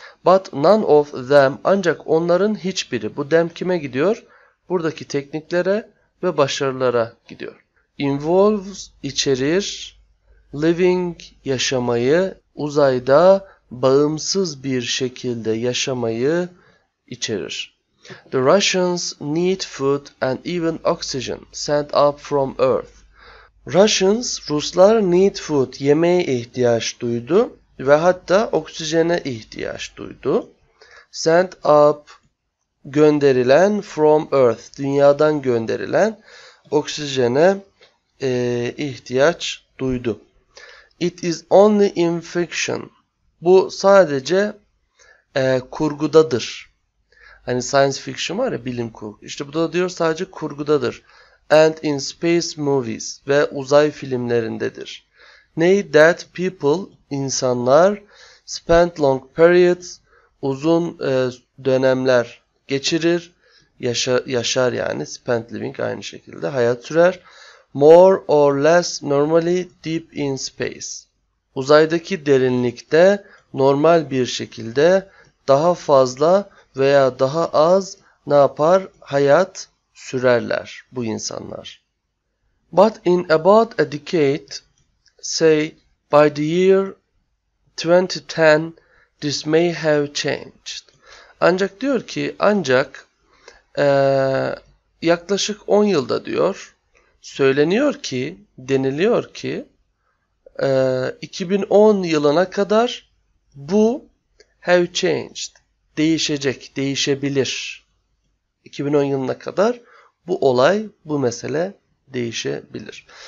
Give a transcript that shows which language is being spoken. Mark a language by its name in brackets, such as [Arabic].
[English] But none of them, [Turkish] ancak onların hiçbiri, bu them kime gidiyor? Buradaki tekniklere ve başarılara gidiyor. Involves, içerir, living, yaşamayı, uzayda bağımsız bir şekilde yaşamayı içerir. [English] The Russians need food and even oxygen sent up from Earth. [Turkish] Russians, Ruslar [English] need food, [Turkish] yemeğe ihtiyaç duydu ve hatta oksijene ihtiyaç duydu. [English] Sent up, [Turkish] gönderilen, [English] from Earth, [Turkish] dünyadan gönderilen. oksijene ihtiyaç duydu. [English] It is only infection. [Turkish] Bu sadece kurgudadır. Hani science fiction var ya, bilim kurgu. İşte bu da diyor sadece kurgudadır. [English] And in space movies, [Turkish] ve uzay filmlerindedir. [English] Ney that people, [Turkish] insanlar, [English] spend long periods, [Turkish] uzun dönemler geçirir, yaşar yani, [English] spend living [Turkish] aynı şekilde hayat sürer. [English] More or less normally deep in space. [Turkish] Uzaydaki derinlikte normal bir şekilde daha fazla veya daha az ne yapar? Hayat sürerler bu insanlar. [English] But in about a decade, say by the year 2010, this may have changed. [Turkish] Ancak diyor ki, ancak yaklaşık 10 yılda diyor, söyleniyor ki, deniliyor ki 2010 yılına kadar bu [English] have changed. [Turkish] Değişecek, değişebilir. 2010 yılına kadar bu olay, bu mesele değişebilir.